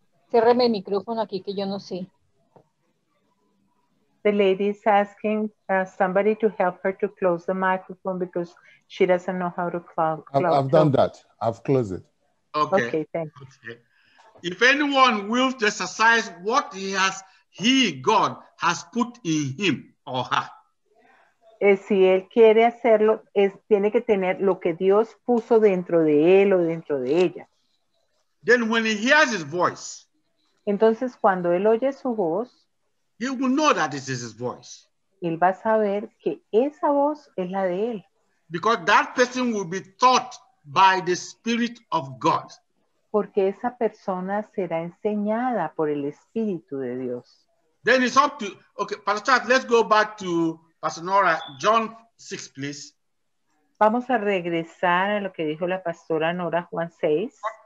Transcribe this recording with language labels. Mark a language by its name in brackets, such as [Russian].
[Spanish] Cierreme el micrófono aquí que yo no sé. [English] The lady is asking somebody to help her to close the microphone because she doesn't know how to close. I've done that. I've closed it. Okay thank you. Okay. If anyone will exercise what God has put in him or her. [Spanish] Si él quiere hacerlo, tiene que tener lo que Dios puso dentro de él o dentro de ella. [English] Then when he hears his voice. [Spanish] Entonces, cuando él oye su voz, [English] He will know that this is his voice. [Spanish] Él va a saber que esa voz es la de él. [English] Because that person will be taught by the Spirit of God. Porque esa persona será enseñada por el Espíritu de Dios. Then it's up to, okay, Pastor Chad, let's go back to Pastor Nora, John 6, please. [Spanish] Vamos a regresar a lo que dijo la Pastora Nora, Juan 6.